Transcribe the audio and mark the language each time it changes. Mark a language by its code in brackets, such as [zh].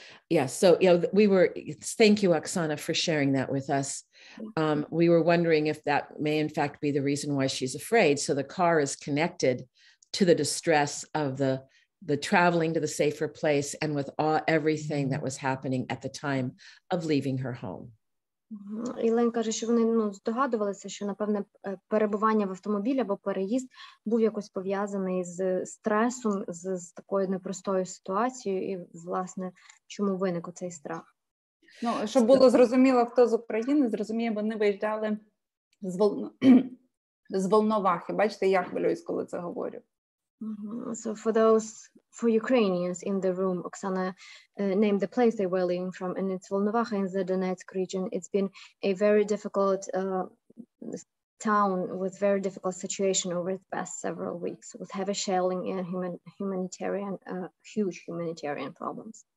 [en] Yeah, so you know, we were, thank you, Oksana, for sharing that with us. We were wondering if that may in fact be the reason why she's afraid. So the car is connected to the distress of the traveling to the safer place and with all everything that was happening at the time of leaving her home. [uk] Ілен каже, що вони ну, здогадувалися, що, напевне, перебування в автомобілі або переїзд був якось пов'язаний з стресом, з такою непростою ситуацією, і, власне, чому виник оцей страх. Ну, щоб було зрозуміло, хто з України, зрозуміє, вони виїжджали з, з Волновахи. Бачите, я хвилююсь, коли це говорю. [en] So for those, for Ukrainians in the room, Oksana named the place they were leaving from, and it's Volnovakha in the Donetsk region. It's been a very difficult town with very difficult situation over the past several weeks with heavy shelling and huge humanitarian problems.